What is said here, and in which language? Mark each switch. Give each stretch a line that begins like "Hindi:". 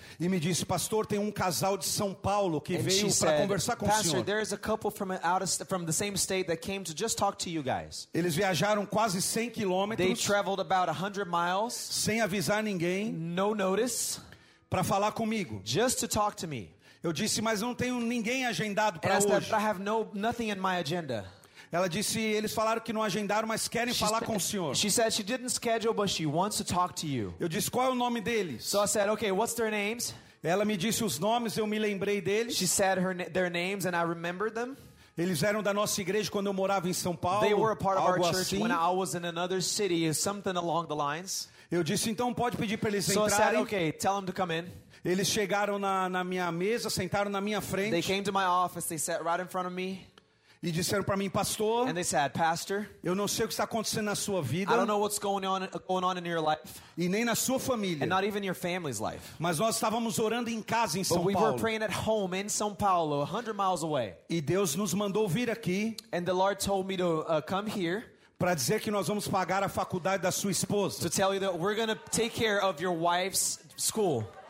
Portuguese: E me disse, pastor, tem casal de São Paulo que veio para conversar com o senhor.
English: Pastor, there is a couple from the same state that came to just talk to you guys.
Portuguese: Eles viajaram quase 100 quilômetros.
English: They traveled about 100 miles.
Portuguese: Sem avisar ninguém.
English: No notice.
Portuguese: Para falar comigo.
English: Just to talk to me.
Portuguese: Eu disse, mas não tenho ninguém agendado para hoje.
English: That, I have nothing in my agenda.
Portuguese: Ela disse, eles falaram que não agendaram, mas querem falar com o senhor.
English: She said she didn't schedule, but she wants to talk to you.
Portuguese: Eu disse, qual é o nome deles?
English: So I said, okay, what's their names?
Portuguese: Ela me disse os nomes, eu me lembrei deles.
English: She said their names and I remembered them.
Portuguese: Eles eram da nossa igreja quando eu morava em São Paulo.
English: They were a part of our church
Portuguese: assim.
English: When I was in another city, something along the lines.
Portuguese: Eu disse, então pode pedir para eles
English: so
Portuguese: entrarem.
English: So I said, okay, tell them to come in.
Portuguese: Eles chegaram na minha mesa, sentaram na minha frente.
English: They came to my office, they sat right in front of me.
Portuguese: E disseram para mim, pastor,
English: and they said, pastor,
Portuguese: eu não sei o que está acontecendo na sua vida.
English: I don't know what's going on in your life.
Portuguese: E nem na sua família.
English: And not even your family's life.
Portuguese: Mas nós estávamos orando em casa em São Paulo.
English: But we were praying at home in São Paulo, 100 miles away.
Portuguese: E Deus nos mandou vir aqui.
English: And the Lord told me to come here.
Portuguese: Para dizer que nós vamos pagar a faculdade da sua esposa.
English: To tell you that we're going to take care of your wife's school.